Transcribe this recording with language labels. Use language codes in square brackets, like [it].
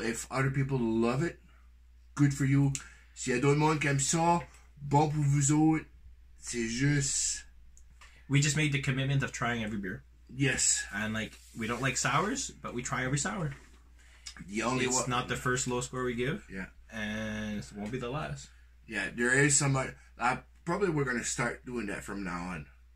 [en] If other people love it, good for you. [fr] Si y'a d'autres monde qui aime ça, bon pour vous autres. C'est juste... [en] We just made the commitment of trying every beer. Yes. And like, we don't like sours, but we try every sour. It's not the first low score we give. Yeah. And it won't be the last. Yeah, there is probably we're going to start doing that from now on.